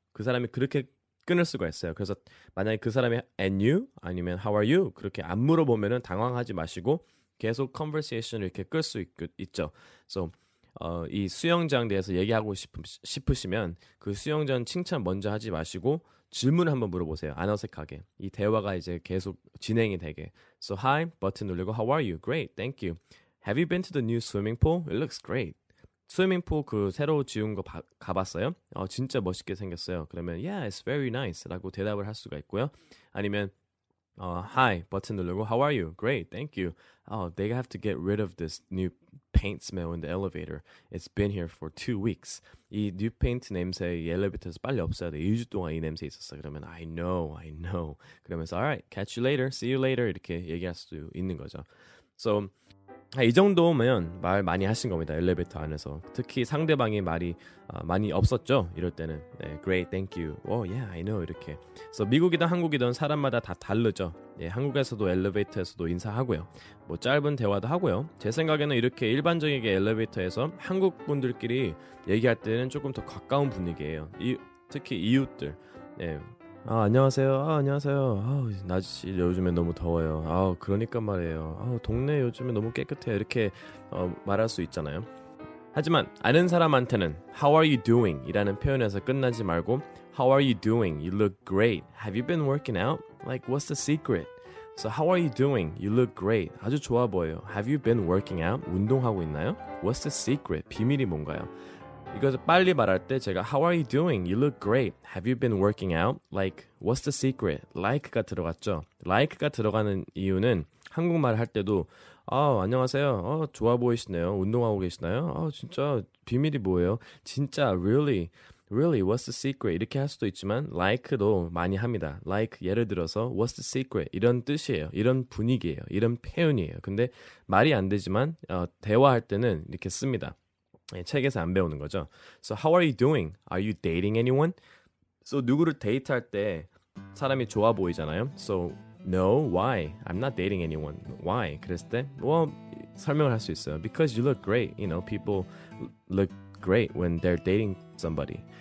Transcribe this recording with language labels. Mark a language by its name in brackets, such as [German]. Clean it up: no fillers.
[Korean] 그 사람이 그렇게 끊을 수가 있어요. 그래서 만약에 그 사람이 and you 아니면 how are you 그렇게 안 물어보면은 당황하지 마시고 계속 conversation을 이렇게 끌 수 있죠. So 이 수영장 대해서 얘기하고 싶으시면 그 수영장 칭찬 먼저 하지 마시고 질문 한번 물어보세요. 안 어색하게 이 대화가 이제 계속 진행이 되게. [English] So hi [Korean] 버튼 누르고 [English] how are you? Great, thank you. Have you been to the new swimming pool? It looks great. [Korean] 스위밍풀 그 새로 지은 거 가봤어요? 진짜 멋있게 생겼어요. 그러면 [English] Yeah, it's very nice [Korean] 라고 대답을 할 수가 있고요. [English] 아니면 Hi, 버튼 누르고 How are you? Great, thank you. They have to get rid of this new paint smell in the elevator. It's been here for 2 weeks. [Korean] 이 new paint 냄새 엘리베이터에서 빨리 없어야 돼. 2주 동안 이 냄새 있었어. [English] 그러면 I know, I know. 그러면서 Alright, catch you later, see you later [Korean] 이렇게 얘기할 수도 있는 거죠. So 이 정도면 말 많이 하신 겁니다. 엘리베이터 안에서 특히 상대방의 말이 많이 없었죠. 이럴 때는 네, [English] Great, thank you. Oh, yeah, I know. [Korean] 이렇게 그래서 미국이든 한국이든 사람마다 다 다르죠. 예, 한국에서도 엘리베이터에서도 인사하고요. 뭐 짧은 대화도 하고요. 제 생각에는 이렇게 일반적이게 엘리베이터에서 한국 분들끼리 얘기할 때는 조금 더 가까운 분위기예요. 특히 이웃들. 예. 아 안녕하세요. 아 안녕하세요. 아 날씨 요즘에 너무 더워요. 아 그러니까 말이에요. 아 동네 요즘에 너무 깨끗해요. 이렇게 말할 수 있잖아요. 하지만 아는 사람한테는 [English] How are you doing? [Korean] 이라는 표현에서 끝나지 말고 [English] How are you doing? You look great. Have you been working out? Like what's the secret? So how are you doing? You look great. [Korean] 아주 좋아 보여요. [English] Have you been working out? [Korean] 운동하고 있나요? [English] What's the secret? [Korean] 비밀이 뭔가요? 이것을 빨리 말할 때 제가 [English] How are you doing? You look great. Have you been working out? Like, what's the secret? Like가 들어갔죠. [Korean] Like가 들어가는 이유는 한국말 할 때도 안녕하세요. 좋아 보이시네요. 운동하고 계시나요? 진짜 비밀이 뭐예요? [English] 진짜 really, really, what's the secret? [Korean] 이렇게 할 수도 있지만 like도 많이 합니다. [English] Like, [Korean] 예를 들어서 [English] what's the secret? [Korean] 이런 뜻이에요. 이런 분위기예요. 이런 표현이에요. 근데 말이 안 되지만 대화할 때는 이렇게 씁니다. 책에서 안 배우는 거죠. [English] So how are you doing? Are you dating anyone? [Korean] So 누구를 데이트할 때 사람이 좋아 보이잖아요. [English] So no, why? I'm not dating anyone. Why? [Korean] 그랬을 때 well, 설명을 할 수 있어요. [English] Because you look great. You know, people look great when they're dating somebody.